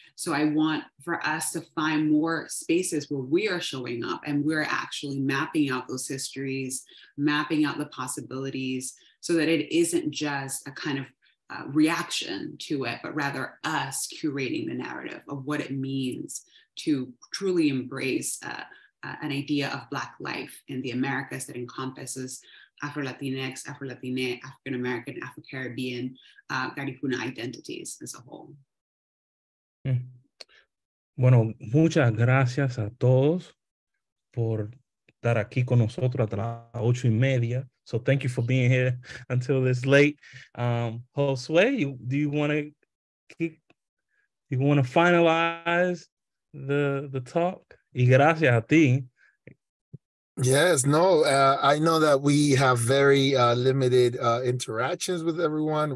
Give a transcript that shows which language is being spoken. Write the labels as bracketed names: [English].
[English] So I want for us to find more spaces where we are showing up and we're actually mapping out those histories, mapping out the possibilities, so that it isn't just a kind of reaction to it, but rather us curating the narrative of what it means to truly embrace an idea of Black life in the Americas that encompasses Afro-Latinx, Afro-Latine, African-American, Afro-Caribbean, Garifuna identities as a whole. [Spanish] Bueno, muchas gracias a todos por estar aquí con nosotros hasta las 8:30. [English] So thank you for being here until this late. Josue, do you want to finalize the talk? [Spanish] Y gracias a ti. [English] Yes, no, I know that we have very limited interactions with everyone.